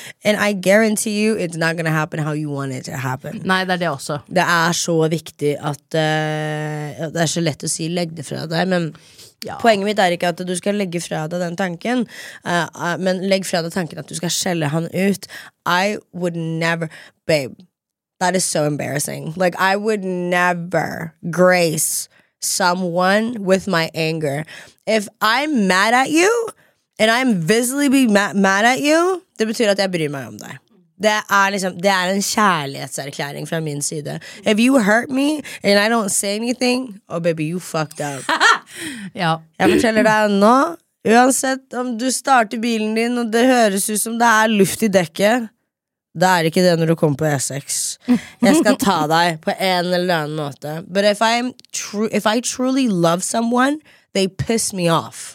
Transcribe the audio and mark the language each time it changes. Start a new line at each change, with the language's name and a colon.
English: And I guarantee you, it's not gonna happen how you want it to happen.
Norwegian: Nei, det det også. Det så viktig at, det så lett å si legg det fra deg, men... Ja. Poenget mitt ikke at du skal legge fra deg den tanken Men legg fra deg tanken at du skal skjelle han ut
English: I would never Babe That is so embarrassing. Like, I would never grace someone with my anger. If I'm mad at you, and I'm visibly mad at you,
Swedish: det betyder att jag bryr mig om dig. Det är en kärlekserklaring från min sida.
English: If you hurt me and I don't say anything, oh baby, you fucked up.
Swedish: Ja. Jag berättar det nu. Uansett om du startar bilen din och det hörs ut som det är luft I däcket, det är inte det när du kommer på E6. Jag ska ta dig på en eller annan måte.
English: But if I truly love someone, they piss me off.